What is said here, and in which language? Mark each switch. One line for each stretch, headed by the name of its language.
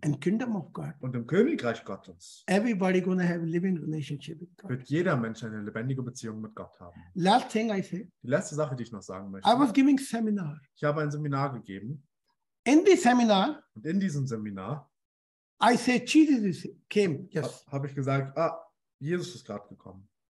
English: And kingdom of God.
German: Und im Königreich Gottes.
English: Everybody gonna have a living relationship with God.
German: Wird jeder Mensch eine lebendige Beziehung mit Gott haben.
English: Last thing I say.
German: Die letzte Sache, die ich noch sagen möchte.
English: I was giving seminar.
German: Ich habe ein Seminar gegeben.
English: In the seminar.
German: Und in diesem Seminar.
English: I say Jesus came. Yes.
German: Habe ich gesagt, Jesus ist gerade gekommen.